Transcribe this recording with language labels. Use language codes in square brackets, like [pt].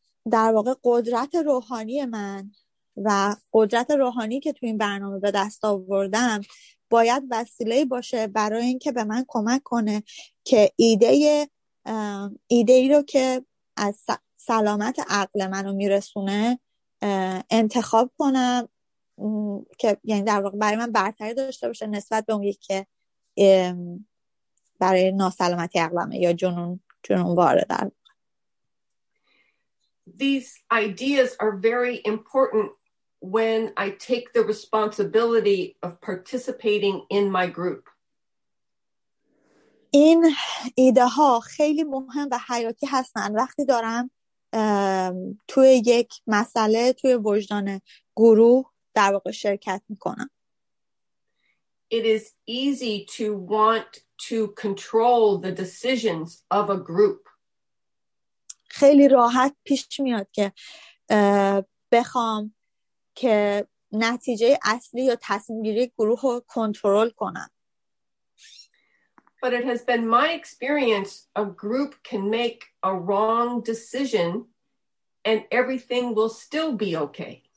[fa] در واقع قدرت روحانی من و قدرت روحانی که تو این برنامه به دست آوردم باید وسیله باشه برای اینکه به من کمک کنه که ایده ای رو که از سلامت عقل منو میرسونه انتخاب کنم که یعنی در واقع برای من برتری داشته باشه نسبت به اون یکی که برای ناسلامتی عقلمه یا جنون واره در. [en] These ideas are very important when I take the responsibility of participating in my group. [fa] این ایده ها خیلی مهم و حیاتی هستن وقتی دارم توی یک مسئله توی وجدان گروه در واقع شرکت میکنم. [en] It is easy to want to control the decisions of a group. [fa] خیلی راحت پیش میاد که بخوام که نتیجه اصلی یا تصمیم گیری گروه رو کنترل کنم. [en] But it has been my experience a group can make a wrong decision and everything will still be okay.